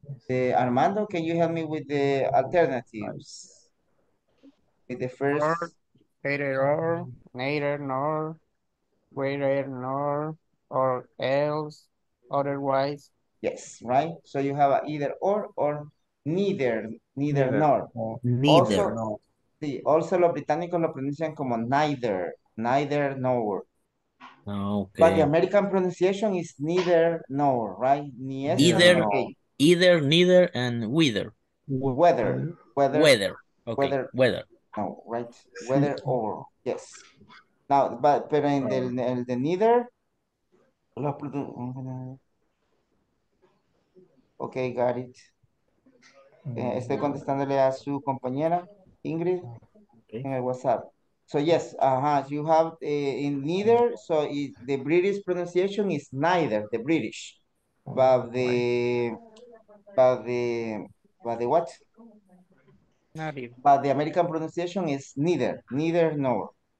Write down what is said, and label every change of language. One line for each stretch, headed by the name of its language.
English: Armando, can you help me with the alternatives? With the first. Or, neither, nor, greater, nor, or else, otherwise. Yes, right? So you have a either or neither, neither, neither nor. Neither, nor.
Spanish: Sí, also, los británicos lo pronuncian como neither, neither, nor.
English: Okay. But the American pronunciation is neither, nor, right?
Spanish: Ni es,
English: neither, no. Okay. Either, neither, and whether. Whether. Whether. Whether. Okay. Whether. Whether. No, right? Whether or, yes. Now, but,
Spanish: pero en el, el de
English: neither, okay, got it.
Spanish: Estoy contestándole a su compañera, Ingrid, okay. En el WhatsApp.
English: So, yes, you have in neither, so it, the British pronunciation is neither, the British. But the, but the, but the what? But the American pronunciation is neither, neither nor.